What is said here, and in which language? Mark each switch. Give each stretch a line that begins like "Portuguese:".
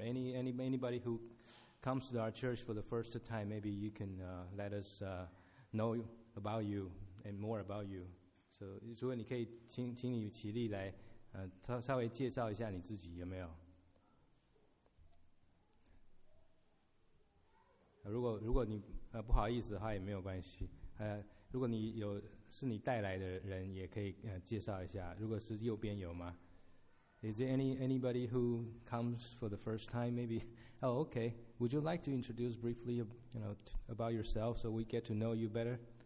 English: Anybody who comes to our church for the first time? Maybe you can let us know about you and more about you.
Chinese: So, 如果你可以请你起立来，稍微介绍一下你自己，有没有？如果你不好意思的话也没有关系，如果你有。是你带来的人也可以介绍一下，如果是右边有吗？
English: Is there anybody who comes for the first time maybe? Oh, okay. Would you like to introduce briefly, you know, about yourself so we get to know you better?